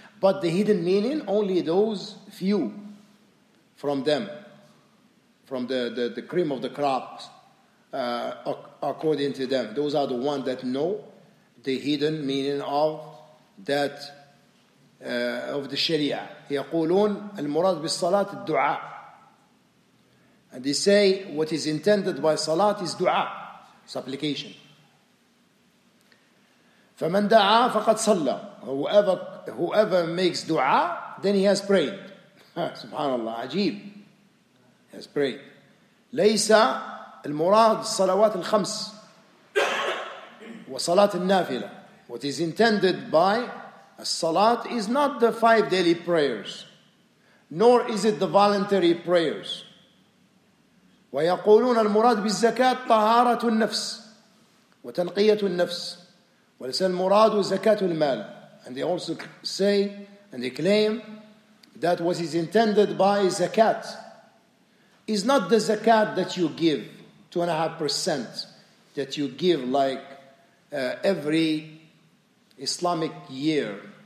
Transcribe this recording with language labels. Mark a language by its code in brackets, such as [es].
[en] But the hidden meaning, only those few from them, from the cream of the crop, according to them. Those are the ones that know the hidden meaning of that, of the Sharia. [ar] يقولون المراد بالصلاة الدعاء. [en] And they say what is intended by salat is dua, supplication. [ar] فَمَنْ دَعَى فَقَدْ صَلَّى. [en] Whoever makes dua, then he has prayed. Subhanallah, ajeeb. He has prayed. [ar] لَيْسَ الْمُرَادِ الصَّلَوَاتِ الْخَمْسِ وَصَلَاتِ النَّافِلَةِ. [en] What is intended by a salat is not the five daily prayers, nor is it the voluntary prayers. [ar] ويقولون المراد بالزكاة طهارة النفس وتنقية النفس ولسان مراد زكاة المال. [en] And they also say and they claim that what is intended by zakat is not the zakat that you give, 2.5% that you give like every Islamic year.